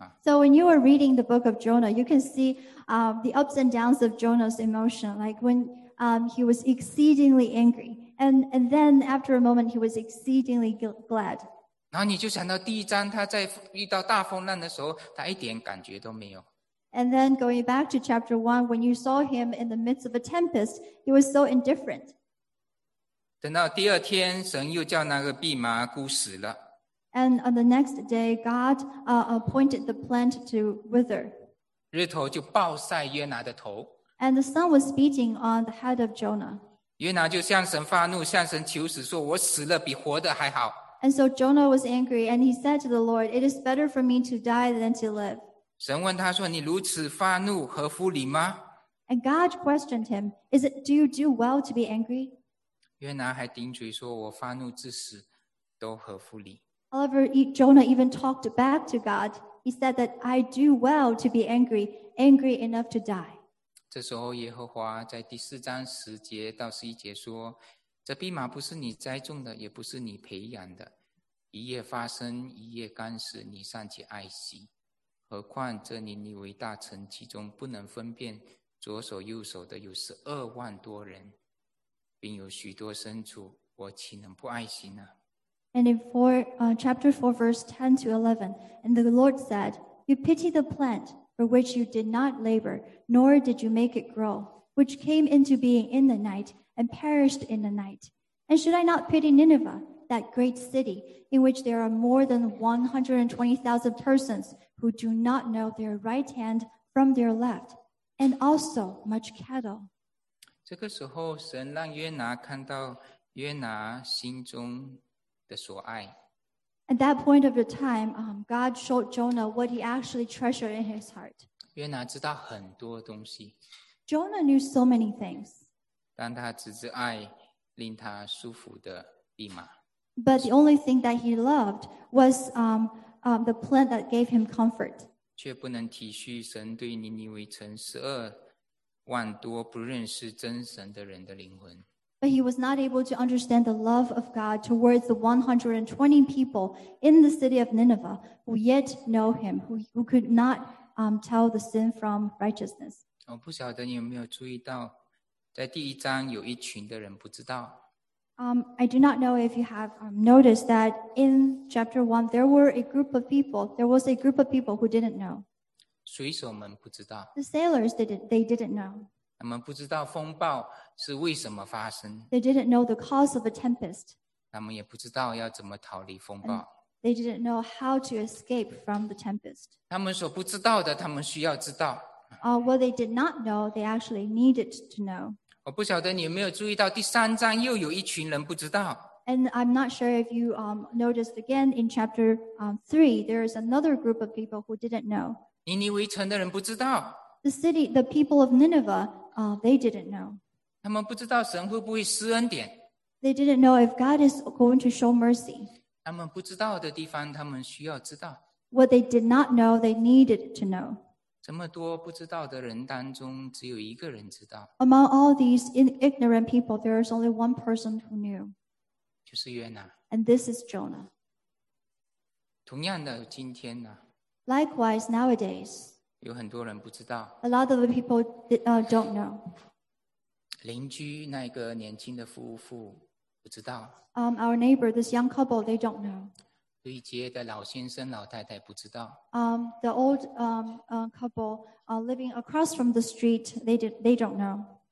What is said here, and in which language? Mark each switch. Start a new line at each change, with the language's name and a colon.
English: So when you are reading the book of Jonah, you can see the ups and downs of Jonah's emotion. Like when he was exceedingly angry, and then after a moment, he was exceedingly glad.
Chinese: 然后你就想到第一章他在遇到大风浪的时候他一点感觉都没有。
English: And then going back to chapter 1, when you saw him in the midst of a tempest, he was so indifferent.
Chinese: 等到第二天神又叫那个蓖麻枯死了。
English: And on the next day, God appointed the plant to wither.
Chinese: 日头就暴晒约拿的头。
English: And the sun was beating on the head of Jonah.
Chinese: 约拿就向神发怒，向神求死，说：“我死了比活的还好。”
English: And so Jonah was angry, and he said to the Lord, "It is better for me to die than to live."
Chinese: 神问他说：“你如此发怒，合乎理吗？”
English: And God questioned him, "Is it do you do well to be angry?"
Chinese: 约拿还顶嘴说：“我发怒至死，都合乎理。”
English: However, Jonah even talked back to God. He said that I do well to be angry, angry enough to die.
Chinese: 这时候，耶和华在第四章十节到十一节说：“这蓖麻不是你栽种的，也不是你培养的，一夜发生，一夜干死，你尚且爱惜，何况这尼尼微大城，其中不能分辨左手右手的有十二万多人，并有许多牲畜，我岂能不爱惜呢？”
English: And in chapter 4, verse 10 to 11, and the Lord said, "You pity the plant for which you did not labor, nor did you make it grow, which came into being in the night and perished in the night. And should I not pity Nineveh, that great city, in which there are more than 120,000 persons who do not know their right hand from their left, and also much cattle?"
Chinese: 这个时候神让约拿看到约拿心中的所爱。
English: At that point of the time, God showed Jonah what he actually treasured in his heart.
Chinese: 约拿知道很多东西。
English: Jonah knew so many things.
Chinese: 但他只是爱令他舒服的蓖麻。
English: But the only thing that he loved was the plant that gave him comfort.
Chinese: 却不能体恤神对尼尼微城十二万多不认识真神的人的灵魂。
English: But he was not able to understand the love of God towards the 120 people in the city of Nineveh who yet know him, who could not tell the sin from righteousness.
Chinese: 我不晓得你有没有注意到，在第一章有一群的人不知道。
English: I do not know if you have noticed that in chapter 1, there was a group of people who didn't know.
Chinese: 水手们不知道。
English: The sailors, they didn't know.
Chinese: 他们不知道风暴是为什么发生。
English: They didn't know the cause of a tempest.
Chinese: 他们也不知道要怎么逃离风暴。
English: They didn't know how to escape from the tempest.
Chinese: 他们所不知道的，他们需要知道。
English: What they did not know, they actually needed to know.
Chinese: 我不晓得你有没有注意到，第三章又有一群人不知道。
English: And I'm not sure if you noticed again in chapter 3, there is another group of people who didn't know.
Chinese: 尼尼微城的人不知道。
English: The city, the people of Nineveh, they didn't know.
Chinese: 他们不知道神会不会施恩典。
English: They didn't know if God is going to show mercy.
Chinese: 他们不知道的地方，他们需要知道。
English: What they did not know, they needed to know.
Chinese: 这么多不知道的人当中，只有一个人知道。
English: Among all these ignorant people, there is only one person who knew.
Chinese: 就是约拿。
English: And this is Jonah.
Chinese: 同样的，今天呢？
English: Likewise, nowadays.
Chinese: 有很多人不知道。
English: A lot of the people don't know.
Chinese: 邻居那个年轻的夫妇不知道。
English: Our neighbor, this young couple, they don't know.
Chinese: 对街的老先生老太太不知道。
English: The old couple living across from the street, they don't know.